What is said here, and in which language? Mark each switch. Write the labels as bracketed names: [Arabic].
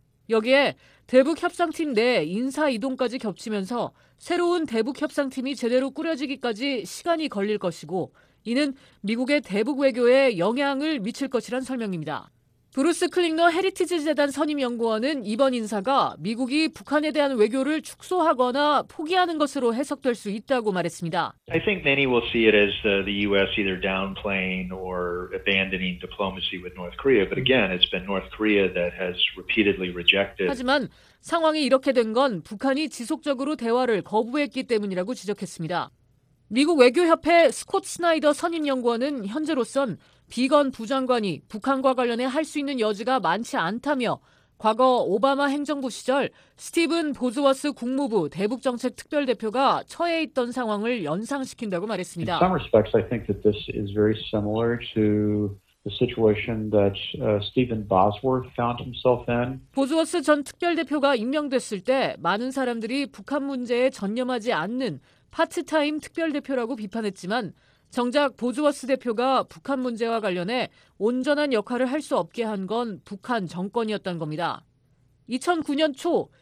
[Korean] 여기에 대북 협상팀 내 인사 이동까지 겹치면서 새로운 대북 협상팀이 제대로 꾸려지기까지 시간이 걸릴 것이고 이는 미국의 대북 외교에 영향을 미칠 것이란 설명입니다. 브루스 클링너 헤리티지 재단 선임연구원은 이번 인사가 미국이 북한에 대한 외교를 축소하거나 포기하는 것으로 해석될 수 있다고 말했습니다. [English] I think many will see it as the U.S. either downplaying or abandoning diplomacy with North Korea. But again, it's been North Korea that has repeatedly rejected. [Korean] 하지만 상황이 이렇게 된 건 북한이 지속적으로 대화를 거부했기 때문이라고 지적했습니다. 미국 외교협회 스콧 스나이더 선임연구원은 현재로선 비건 부장관이 북한과 관련해 할 수 있는 여지가 많지 않다며 과거 오바마 행정부 시절 스티븐 보즈워스 국무부 대북정책특별대표가 처해 있던 상황을 연상시킨다고 말했습니다. [English] In some respects, I think that this is very similar to the situation that Stephen Bosworth found himself in. [Korean] 보즈워스 전 특별대표가 임명됐을 때 많은 사람들이 북한 문제에 전념하지 않는 파트타임 특별대표라고 비판했지만 정작 보즈워스 대표가 북한 문제와 관련해 온전한 역할을 할 수 없게 한 건 북한 정권이었던 겁니다. 2009년 초